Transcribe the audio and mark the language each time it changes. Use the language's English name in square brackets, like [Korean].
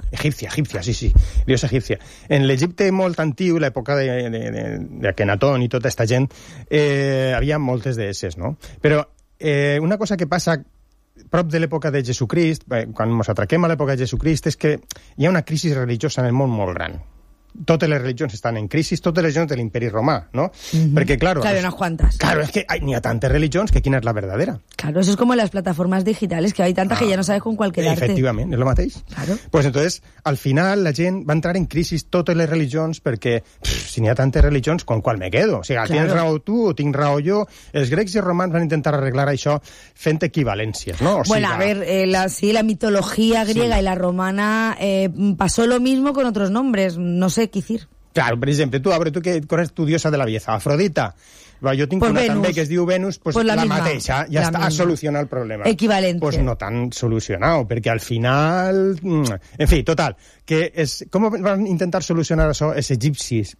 [Spanish] egipcia, sí, diosa egipcia. [Catalan] En l'Egipte molt antiu, l'època de Akenatón i tota aquesta gent, havia moltes deesses, no? Però una cosa que passa... prop de l'època de Jesucrist, quan ens atraquem a l'època de Jesucrist, és que hi ha una crisi religiosa en el món molt gran. Totes les religions estan en crisi, totes les religions de l'imperi romà, no? Mm-hmm. Perquè, claro... [Spanish] Claro, unas cuantas. [Catalan] Claro, és que n'hi ha tantes religions que quina és la verdadera. [Spanish] Claro, eso es como las plataformas digitales, que hay tantas que ya no sabes con cuál quedarte. [Catalan] Efectivament, és lo mateix. [Spanish] Claro. [Catalan] Pues entonces, al final, la gent va entrar en crisi totes les religions perquè, si n'hi ha tantes religions, [Spanish] ¿con cuál me quedo? O sea, claro. [Catalan] Tienes raó tu o tinc raó jo. Els grecs i els romans van intentar arreglar això fent equivalències, no? O sigui, bueno, a ver, la mitologia griega sí. [Spanish] Y la romana pasó lo mismo con otros nombres, no sé qué decir. Claro, por ejemplo, tú que corres tu diosa de la belleza, Afrodita. Yo tengo una también que es diu Venus, pues [Catalan] la mateixa, [Spanish] ya está, ha solucionado el problema. Equivalente. Pues no tan solucionado, porque al final... En fin, total, que es, ¿cómo van a intentar solucionar eso, [Catalan] es egipcis?